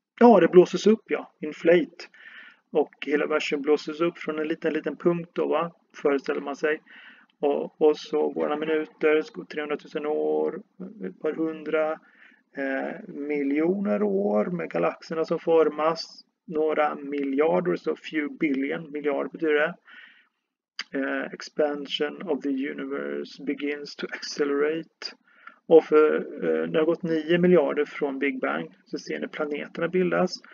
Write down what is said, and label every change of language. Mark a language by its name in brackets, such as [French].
[Swedish] Ja, det blåses upp, ja, inflate. Och hela versen blåses upp från en liten punkt då, va? Föreställer man sig. Och så går några minuter, så går 300 000 år, ett par hundra miljoner år med galaxerna som formas. Några miljarder, så [English] few billion, [Swedish] miljarder betyder det. [English] Expansion of the universe begins to accelerate. [Swedish] Och när det har gått 9 miljarder från Big Bang så ser ni planeterna bildas.